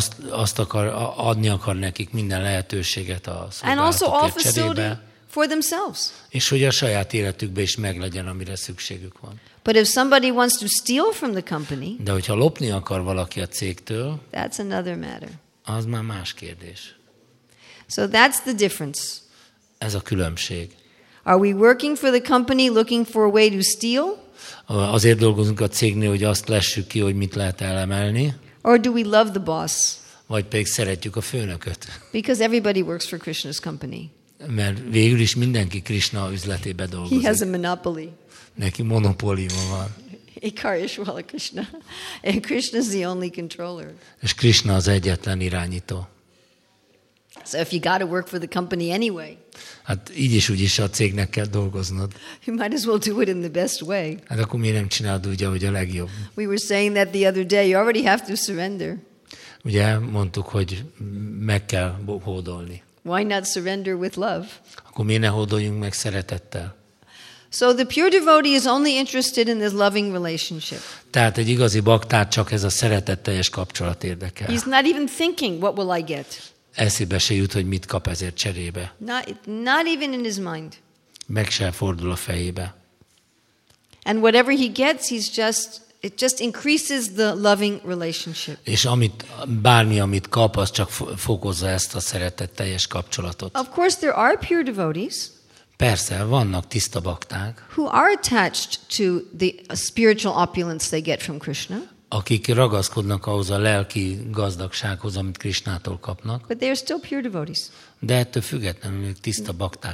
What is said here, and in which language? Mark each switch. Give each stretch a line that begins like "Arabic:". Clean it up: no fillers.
Hungarian: Azt akar, adni akar nekik minden lehetőséget a szolgálatokért.
English: And also all facility for themselves.
Hungarian: És hogy a saját életükben is meglegyen, amire szükségük van.
English: But if somebody wants to steal from the company,
Hungarian: de hogyha lopni akar valaki a cégtől,
English: that's another matter.
Hungarian: Az már más kérdés.
English: So that's the difference.
Hungarian: Ez a különbség.
English: Are we working for the company looking for a way to steal?
Hungarian: Azért dolgozunk a cégnél, hogy azt lessük ki, hogy mit lehet elemelni.
English: Or do we love the boss?
Hungarian: Vagy pedig szeretjük a főnököt.
English: Because everybody works for Krishna's company.
Hungarian: Mert végül is mindenki Krishna üzletébe dolgozik.
English: He has a monopoly.
Hungarian: Neki monopólium van.
English: Ikarishvala Krishna. And Krishna is the only controller.
Hungarian: És Krishna az egyetlen irányító.
English: So if you got to work for the company anyway.
Hungarian: Hát így is úgy is a cégnek kell dolgoznod.
English: You might as well do it in the best way.
Hungarian: Hát akkor miért nem csinálod úgy, ahogy a legjobb?
English: We were saying that the other day, you already have to surrender.
Hungarian: Ugye mondtuk, hogy meg kell hódolni.
English: Why not surrender with love?
Hungarian: Akkor miért ne hódoljunk meg szeretettel?
English: So the pure devotee is only interested in this loving relationship.
Hungarian: Tehát egy igazi baktát csak ez a szeretetteljes kapcsolat érdekel.
English: He's not even thinking, what will I get?
Hungarian: Eszébe se jut, hogy mit kap ezért cserébe.
English: Not even in his mind.
Hungarian: Meg se fordul a fejébe.
English: And whatever he gets, it just increases the loving relationship.
Hungarian: És amit kap, az csak fokozza ezt a szeretetteljes kapcsolatot.
English: Of course there are pure devotees.
Hungarian: Persze, vannak tiszta bakták.
English: Who are attached to the spiritual opulence they get from Krishna?
Hungarian: Akik ragaszkodnak ahhoz a lelki gazdagsághoz, amit Krishnától kapnak.
English: But they are still pure devotees.
Hungarian: De ettől függetlenül ők tiszta bakták.